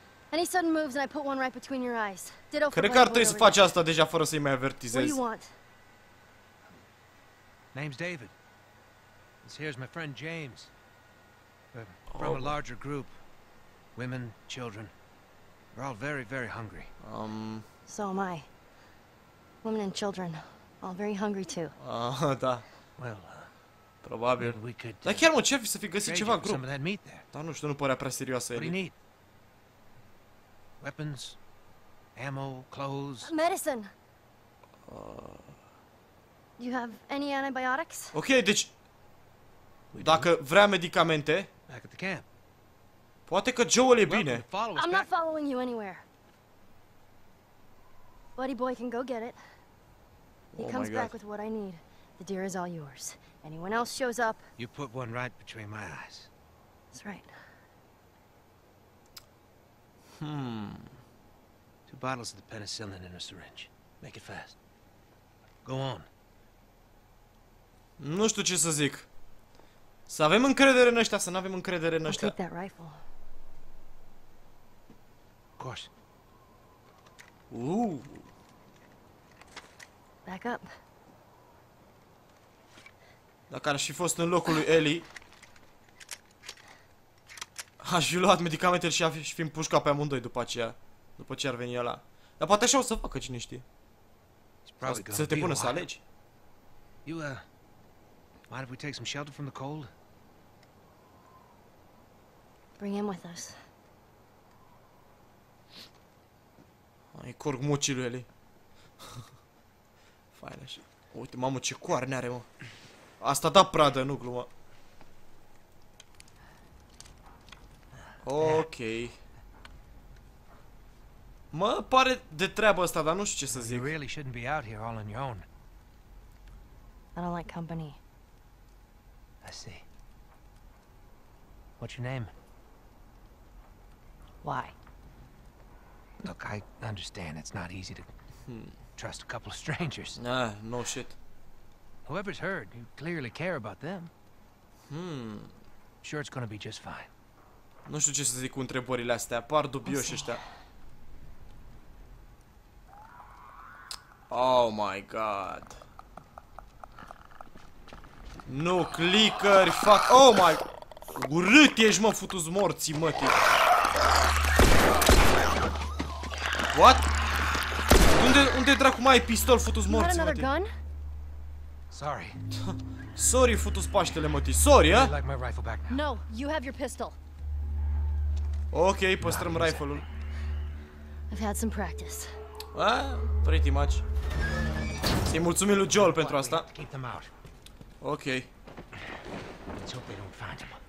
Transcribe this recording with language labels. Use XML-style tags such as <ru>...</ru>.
<en>Any sudden moves and I put one right between your eyes. Ditto.</en> <ro>Cred că ar trebui să faci asta deja fără să-i mai avertizezi.</ro> <en>Name's David. This here's my friend James. From a larger group. Women, children. They're all very, very hungry. So am I. Women and children. All very hungry too.</en> <ro>Da.</ro> <en>Well,</en> <ro>probabil.</ro> <en>We could,</en> <ro>dar chiar mă, ce ar fi să fi găsit ceva în grup? Dar nu știu, nu părea prea serioasă el.</ro> <en>Weapons, ammo, clothes. Medicine. Do you have any antibiotics?</en> <ro>Ok, deci dacă vrea medicamente,</ro> <en>back at the camp.</en> <ro>Poate că Joel e bine.</ro> <en>I'm not following you anywhere. Buddy boy can go get it. He comes back with what I need. The deer is all yours. Anyone else shows up, you put one right between my eyes. That's right. Two bottles of the penicillin in a syringe. Make it fast. Go on.</en> <ro>Nu știu ce să zic. Să avem încredere în ăștia, să n-avem încredere în ăștia.</ro> <en>I'll take that rifle. Of course. Ooh. Back up.</en> <ro>Dacă aș fi fost în locul lui Ellie, aș fi luat medicamentele și aș fi împușcat pe amândoi după aceea, după ce ar veni ăla. Dar poate așa o să facă, cine știe. Să te pună să alegi.</ro> <en>You, mind if we take some shelter from the cold? Bring him with us.</en> <ro>Ai corg mucii lui Ellie. Fain așa. Uite, mamă, ce coarne are, mă. Asta da pradă, nu glumă. Ok. Mă, pare de treabă asta, dar nu știu ce să zic.</ro> <en>You really shouldn't be out here all on your own. I don't like company. I see. What's your name? Why? Look, I understand it's not easy to trust a couple of strangers. Nah, no shit. Whoever's heard, you clearly care about them. Sure it's gonna be just fine.</en> <ro>Nu știu ce să zic cu întrebările astea, par dubioși ăștia.</ro> <en>Oh my god.</en> <ro>Nu clickeri, fac. Oh my. Urât ești, mă, futu-s morții, mătii. What? Unde dracu mai ai pistol, futu-s morții, mătii?</ro> <en>Sorry.</en> <ro>Sorry, futu-s paștele, mătii.</ro> <en>Sorry, ha? No, you have your pistol.</en> <ro>Ok, păstrăm rifle-ul.</ro> <en>I've had some practice. Ah, pretty much.</en> <ro>Să-i mulțumim lui Joel pentru asta. Ok.</ro> <en>Let's hope they don't find him.</en>